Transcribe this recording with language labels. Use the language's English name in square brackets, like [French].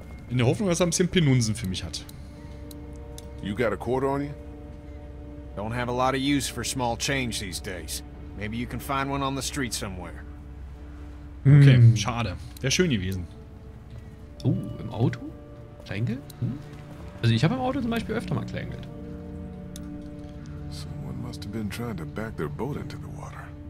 [German] In der Hoffnung, dass er ein bisschen Penunsen für mich hat. [English] You got a quarter on you? Don't have a lot of use for small change these days. Maybe you can find one on the street somewhere. [German] Okay, schade. Wäre schön gewesen. Oh, im Auto? Kleingeld? Also ich habe im Auto zum Beispiel öfter mal Kleingeld. [English] Someone must have been trying to back their boat into the water.